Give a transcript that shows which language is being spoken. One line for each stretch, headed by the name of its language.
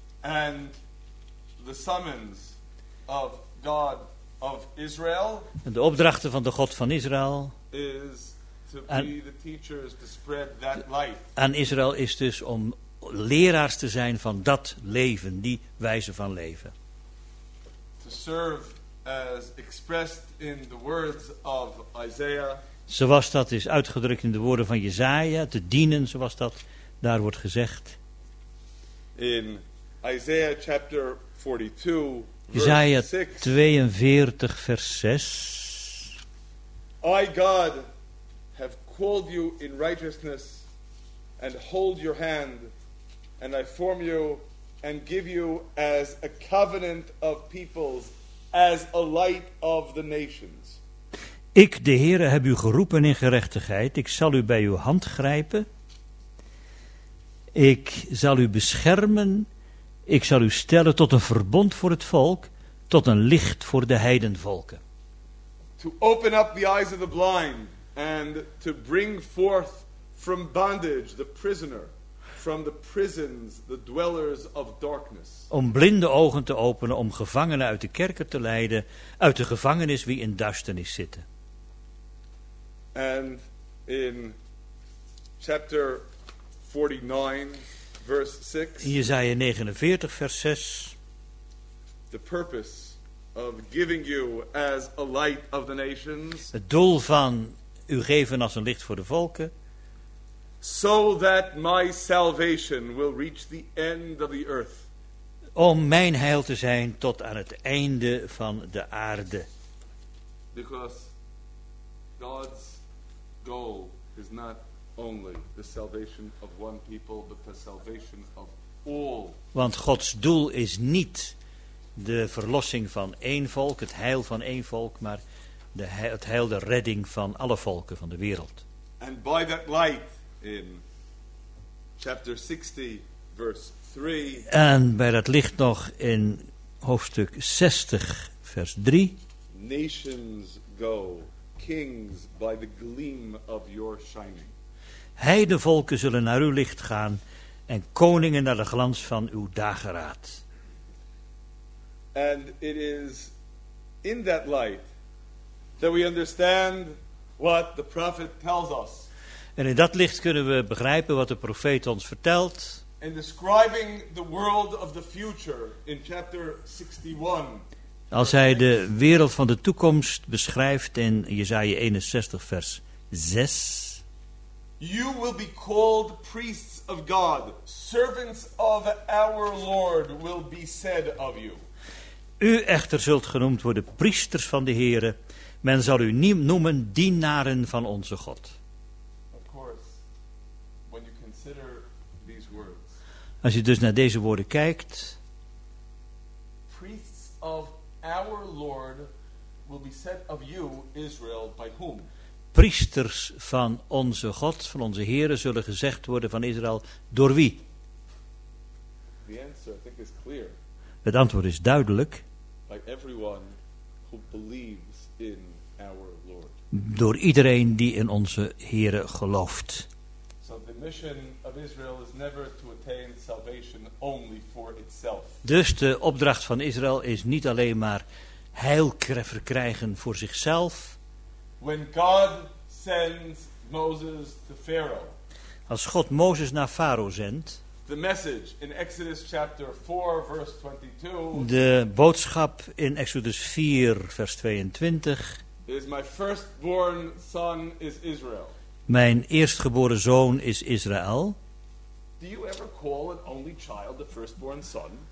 English: And the summons of God of Israel.
Dutch: De opdrachten van de God van Israël
English: is to be aan, the teachers to spread that light.
Dutch: Aan Israël is dus om leraars te zijn van dat leven, die wijze van leven.
English: To serve as expressed in the words of Isaiah.
Dutch: Zoals dat is uitgedrukt in de woorden van Jesaja, te dienen, zoals dat daar wordt gezegd.
English: In Isaiah chapter 42.
Dutch: Jesaja 42, vers 6.
English: I, God, have called you in righteousness and hold your hand, and I form you and give you as a covenant of peoples, as a light of the nations.
Dutch: Ik, de Heere, heb u geroepen in gerechtigheid. Ik zal u bij uw hand grijpen. Ik zal u beschermen. Ik zal u stellen tot een verbond voor het volk, tot een licht voor de heidenvolken.
English: To open up the eyes of the blind and to bring forth from bondage the prisoner from the prisons the dwellers of darkness.
Dutch: Om blinde ogen te openen, om gevangenen uit de kerker te leiden, uit de gevangenis wie in duisternis zitten.
English: And in chapter 49 verse 6.
Dutch: Jesaja 49 vers 6.
English: The purpose of giving you as a light of the nations.
Dutch: Het doel van u geven als een licht voor de volken.
English: So that my salvation will reach the end of the earth.
Dutch: Om mijn heil te zijn tot aan het einde van de aarde.
English: Because God's goal is not only the salvation of one people, but the salvation of all.
Dutch: Want Gods doel is niet de verlossing van één volk, het heil van één volk, maar het heil, de redding van alle volken van de wereld.
English: And by that light in chapter 60, verse 3.
Dutch: En bij dat licht nog in hoofdstuk 60, vers 3.
English: Nations go, kings by the gleam of your shining.
Dutch: Heidenvolken zullen naar uw licht gaan en koningen naar de glans van uw dageraad.
English: And it is in that light that we understand what the prophet tells us.
Dutch: En in dat licht kunnen we begrijpen wat de profeet ons vertelt.
English: In describing the world of the future in chapter 61.
Dutch: Als hij de wereld van de toekomst beschrijft in Jesaja 61 vers 6.
English: You will be called priests of God, servants of our Lord, will be said of you.
Dutch: U echter zult genoemd worden priesters van de Heere. Men zal u noemen dienaren van onze God.
English: Of course, when you consider these words,
Dutch: als je dus naar deze woorden kijkt.
English: Priests of our Lord will be said of you, Israel, by whom?
Dutch: Priesters van onze God, van onze Heere, zullen gezegd worden van Israël, door wie?
English: The answer, I think, is clear.
Dutch: Het antwoord is duidelijk.
English: By everyone who believes in our Lord.
Dutch: Door iedereen die in onze Heere gelooft.
English: So the mission of Israel is never to attain salvation only for itself.
Dutch: Dus de opdracht van Israël is niet alleen maar heil verkrijgen voor zichzelf.
English: When God sends Moses to Pharaoh,
Dutch: als God Mozes naar Farao zendt,
English: the message in Exodus chapter 4, verse 22,
Dutch: de boodschap in Exodus 4, vers 22,
English: is my firstborn son is Israel.
Dutch: Mijn eerstgeboren zoon is Israël.
English: Do you ever call an only child a firstborn son?